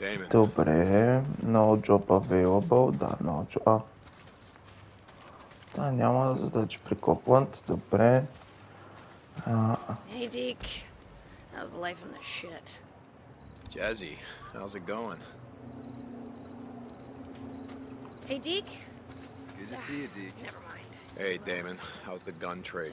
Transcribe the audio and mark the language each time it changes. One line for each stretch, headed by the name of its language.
Bulgarian: Добре,
English: no job available,
Bulgarian: да,
English: no job.
Bulgarian: Да, няма задача при Копланд, добре.
English: Hey Deek, how's life in the shit? Jazzy, how's it going? Hey Deek? Good to see you, Deek. Never mind. Hey Damon, how's the gun trade